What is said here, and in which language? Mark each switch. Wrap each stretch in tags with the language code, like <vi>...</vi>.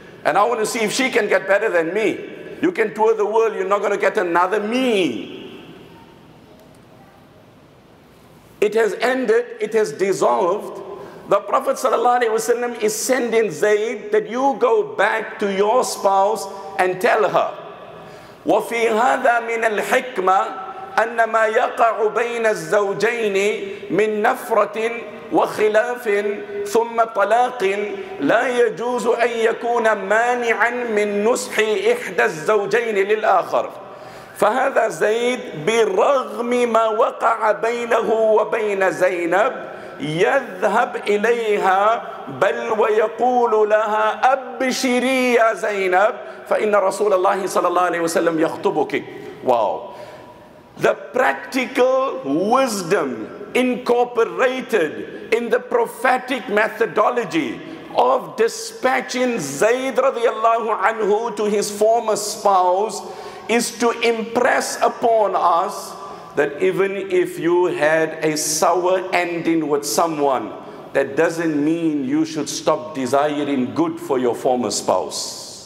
<en>And I want to see if she can get better than me. You can tour the world, you're not going to get another me. It has ended, it has dissolved. The Prophet sallallahu alaihi wasallam is sending Zayd that you go back to your spouse and tell her.</en> <ar>وفي هذا من الحكمة أن ما يقع بين الزوجين من نفرة وخلاف ثم طلاق لا يجوز أن يكون مانعا من نصح إحدى الزوجين للآخر. فهذا زيد برغم ما وقع بينه وبين زينب يذهب إليها بل ويقول لها أبشري يا زينب فإن رسول الله صلى الله عليه وسلم يخطبك. واو.</ar> <en>The practical wisdom incorporated in the prophetic methodology of dispatching Zayd radiallahu anhu to his former spouse is to impress upon us that even if you had a sour ending with someone, that doesn't mean you should stop desiring good for your former spouse.</en>